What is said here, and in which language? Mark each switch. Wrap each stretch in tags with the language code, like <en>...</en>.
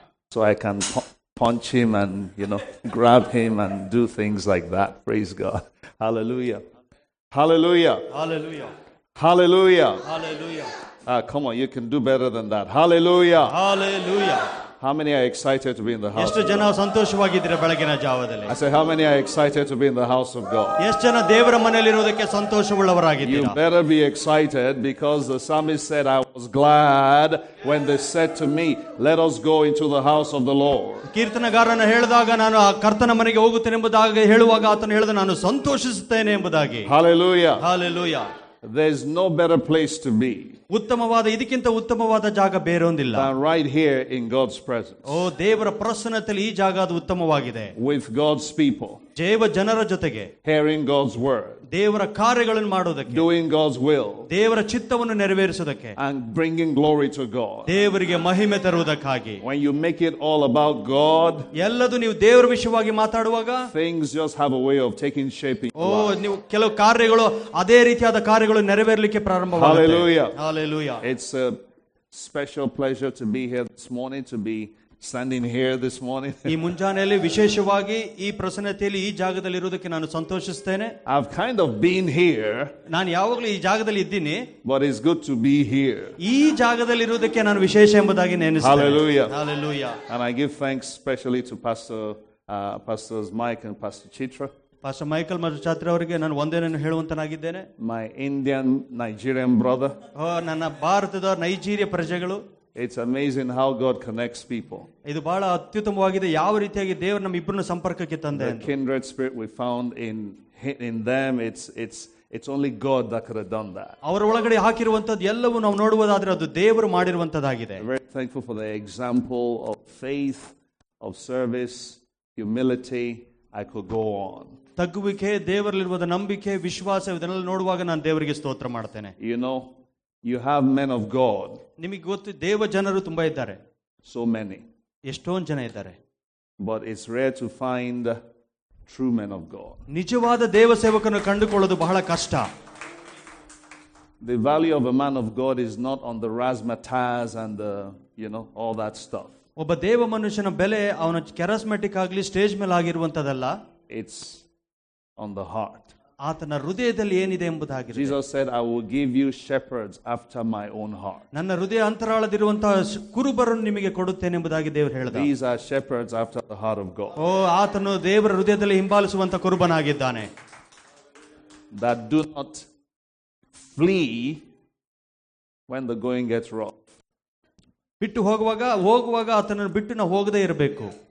<en>So I can punch him and, you know, grab him and do things like that. Praise God. Hallelujah. Hallelujah. Hallelujah. Hallelujah. Hallelujah. Come on, you can do better than that. Hallelujah. Hallelujah. How many are excited to be in the house?</en> <kn>ಎಷ್ಟು ಜನ ಸಂತೋಷವಾಗಿದ್ದೀರ ಬೆಳಗಿನ ಜಾವದಲ್ಲಿ?</kn> <en>I say, how many are excited to be in the house of God?</en> <kn>ಎಷ್ಟು ಜನ ದೇವರ ಮನೆಯಲ್ಲಿ ಇರೋದಕ್ಕೆ ಸಂತೋಷವುಳ್ಳವರಾಗಿದ್ದೀರ?</kn> <en>You better be excited because the psalmist said, I was glad when they said to me, let us go into the house of the Lord.</en> <kn>ಕೀರ್ತನಗಾರನು ಹೇಳಿದಾಗ ನಾನು ಆ ಕರ್ತನ ಮನೆಗೆ ಹೋಗುತ್ತೇನೆ ಎಂಬುದಾಗಿ ಹೇಳುವಾಗ ಆತನು ಹೇಳಿದ ನಾನು ಸಂತೋಷಿಸುತ್ತೇನೆ ಎಂಬುದಾಗಿ.</kn> <en>Hallelujah. Hallelujah. There's no better place to be.</en> <kn>ಉತ್ತಮವಾದ ಇದಕ್ಕಿಂತ ಉತ್ತಮವಾದ ಜಾಗ ಬೇರೊಂದಿಲ್ಲ.</kn> <en>Right here in God's presence.</en> <kn>ಓ ದೇವರ ಪ್ರಸನ್ನತೆಯಲ್ಲಿ ಈ ಜಾಗ ಅದು ಉತ್ತಮವಾಗಿದೆ.</kn> <en>With God's people.</en> <kn>ದೇವ ಜನರ ಜೊತೆಗೆ.</kn> <en>Hearing God's word.</en> <kn>ದೇವರ ಕಾರ್ಯಗಳನ್ನು ಮಾಡೋದಕ್ಕೆ.</kn> <en>Doing God's will.</en> <kn>ದೇವರ ಚಿತ್ತವನ್ನು ನೆರವೇರಿಸೋದಕ್ಕೆ.</kn> <en>And bringing glory to God.</en> <kn>ದೇವರಿಗೆ ಮಹಿಮೆ ತರುವುದಕ್ಕಾಗಿ.</kn> <en>When you make it all about God.</en> <kn>ಎಲ್ಲದೂ ನೀವು ದೇವರ ವಿಷಯವಾಗಿ ಮಾತಾಡುವಾಗ.</kn> <en>Things just have a way of taking shape.</en> <kn>ಓ ನೀವು ಕೆಲವು ಕಾರ್ಯಗಳು ಅದೇ ರೀತಿಯಾದ ಕಾರ್ಯಗಳು ನೆರವೇರಲಿಕ್ಕೆ ಪ್ರಾರಂಭವಾಗುತ್ತೆ.</kn> <en>Hallelujah. Hallelujah. It's a special pleasure to be here this morning, to be standing here this morning.</en> <kn>ಈ ಮುಂಜಾನೆಯಲ್ಲಿ ವಿಶೇಷವಾಗಿ ಈ ಪ್ರಸನ್ನತೆಯಲ್ಲಿ ಈ ಜಾಗದಲ್ಲಿ ಇರುವುದಕ್ಕೆ ನಾನು ಸಂತೋಷಿಸುತ್ತೇನೆ.</kn> <en>I've kind of been here.</en> <kn>ನಾನು ಯಾವಾಗಲೂ ಈ ಜಾಗದಲ್ಲಿ ಇದ್ದೀನಿ.</kn> <en>But it's good to be here.</en> <kn>ಈ ಜಾಗದಲ್ಲಿ ಇರುವುದಕ್ಕೆ ನಾನು ವಿಶೇಷ ಎಂಬುದಾಗಿ ನೆನೆಸುತ್ತೇನೆ.</kn> <en>Hallelujah. Hallelujah. And I give thanks specially to Pastors Mike and Pastor Chitra.</en> <kn>Pastor Michael ಮತ್ತು ಛಾತ್ರ ಅವರಿಗೆ ನಾನು ಒಂದೇನನ್ನು ಹೇಳುವಂತನಾಗಿದ್ದೇನೆ.</kn> <en>My Indian Nigerian brother.</en> <kn>ಓ ನನ್ನ ಭಾರತದ ನೈಜೀರಿಯ ಪ್ರಜೆಗಳು.</kn> <en>It's amazing how God connects people.</en> <kn>ಇದು ಬಹಳ ಅತ್ಯುತ್ತಮವಾಗಿದೆ ಯಾವ ರೀತಿಯಾಗಿ ದೇವರು ನಮ್ಮ ಇಬ್ಬರನ್ನು ಸಂಪರ್ಕಕ್ಕೆ ತಂದೆ.</kn> <en>Kindred spirit we found in them. It's only God that could have done that.</en> <kn>ಅವರ ಒಳಗಡೆ ಹಾಕಿರುವಂತದ್ದು ಎಲ್ಲವೂ ನಾವು ನೋಡುವುದಾದ್ರೆ ಅದು ದೇವರು ಮಾಡಿರುವಂತದ್ದಾಗಿದೆ.</kn> <en>Very thankful for the example of faith of service humility. I could go on.</en> <kn>ತಗ್ಗುವಿಕೆ ದೇವರಲ್ಲಿರುವುದ ನಂಬಿಕೆ ವಿಶ್ವಾಸ ಇದನ್ನೆಲ್ಲ ನೋಡುವಾಗ ನಾನು ದೇವರಿಗೆ ಸ್ತೋತ್ರ ಮಾಡ್ತೇನೆ.</kn> <en>You know you have men of God.</en> <kn>ನಿಮಗೆ ಗೊತ್ತು ದೇವ ಜನರು ತುಂಬಾ ಇದ್ದಾರೆ.</kn> <en>So many.</en> <kn>ಎಷ್ಟೊಂದು ಜನ ಇದ್ದಾರೆ.</kn> <en>But it's rare to find true men of God.</en> <kn>ನಿಜವಾದ ದೇವ ಸೇವಕನನ್ನು ಕಂಡುಕೊಳ್ಳೋದು ಬಹಳ ಕಷ್ಟ.</kn> <en>The value of a man of God is not on the razzmatazz and the, you know, all that stuff.</en> <kn>ಒಬ್ಬ ದೇವ ಮನುಷ್ಯನ ಬೆಲೆ ಅವನ ಕ್ಯಾರಿಸ್ಮೆಟಿಕ್ ಆಗಲಿ ಸ್ಟೇಜ್ ಮೇಲೆ ಆಗಿರುವಂತದಲ್ಲ.</kn> <en>It's on the heart.</en> <kn>ಆತನ ಹೃದಯದಲ್ಲಿ ಏನಿದೆ ಎಂಬುದಾಗಿ.</kn> <en>Jesus said, I will give you shepherds after my own heart.</en> <kn>ನನ್ನ ಹೃದಯ ಅಂತರಾಳದಿರುವಂತಹ ಕುರುಬರನ್ನು ನಿಮಗೆ ಕೊಡುತ್ತೇನೆ ಎಂಬುದಾಗಿ ದೇವರು ಹೇಳಿದ.</kn> <en>These are shepherds after the heart of God.</en> <kn>ಓ ಆತನು ದೇವರ ಹೃದಯದಲ್ಲಿ ಹಿಂಬಾಲಿಸುವಂತ ಕುರುಬನಾಗಿದ್ದಾನೆ.</kn> <en>That do not flee when the going gets rough.</en> <kn>ಬಿಟ್ಟು ಹೋಗುವಾಗ ಆತನನ್ನು ಬಿಟ್ಟು ನಾವು ಹೋಗದೇ ಇರಬೇಕು.</kn>